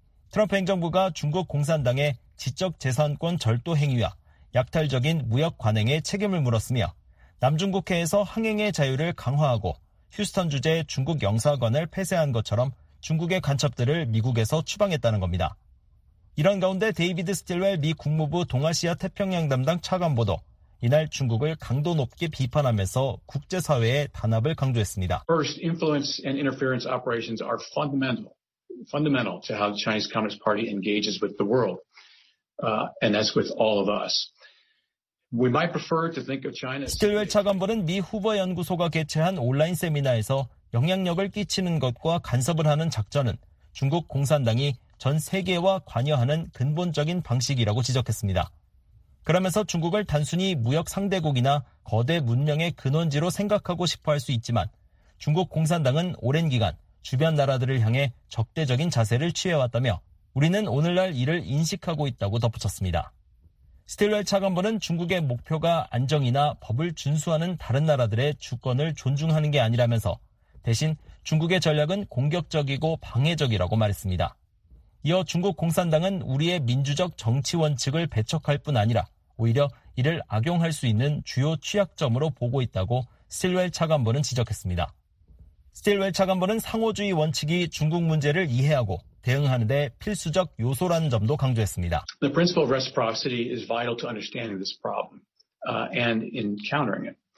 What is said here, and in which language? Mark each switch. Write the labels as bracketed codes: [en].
[ko] 트럼프 행정부가 중국 공산당의 지적 재산권 절도 행위와 약탈적인 무역 관행에 책임을 물었으며 남중국해에서 항행의 자유를 강화하고 휴스턴 주재 중국 영사관을 폐쇄한 것처럼 중국의 간첩들을 미국에서 추방했다는 겁니다. 이런 가운데 데이비드 스틸웰 미 국무부 동아시아 태평양 담당 차관보도 이날 중국을 강도 높게 비판하면서 국제사회의 단합을 강조했습니다. [en] First, influence and interference operations are fundamental to how the Chinese Communist Party engages with the world, and that's with all of us. We might prefer to think of China. [ko] 스틸웰 차관보는 미 후보 연구소가 개최한 온라인 세미나에서 영향력을 끼치는 것과 간섭을 하는 작전은 중국 공산당이 전 세계와 관여하는 근본적인 방식이라고 지적했습니다. 그러면서 중국을 단순히 무역 상대국이나 거대 문명의 근원지로 생각하고 싶어 할 수 있지만 중국 공산당은 오랜 기간 주변 나라들을 향해 적대적인 자세를 취해왔다며 우리는 오늘날 이를 인식하고 있다고 덧붙였습니다. 스틸러 차관보는 중국의 목표가 안정이나 법을 준수하는 다른 나라들의 주권을 존중하는 게 아니라면서 대신 중국의 전략은 공격적이고 방해적이라고 말했습니다. 이어 중국 공산당은 우리의 민주적 정치 원칙을 배척할 뿐 아니라 오히려 이를 악용할 수 있는 주요 취약점으로 보고 있다고 스틸웰 차관보는 지적했습니다. 스틸웰 차관보는 상호주의 원칙이 중국 문제를 이해하고 대응하는 데 필수적 요소라는 점도 강조했습니다. [en] The principle of reciprocity is vital to understanding this problem and in countering it.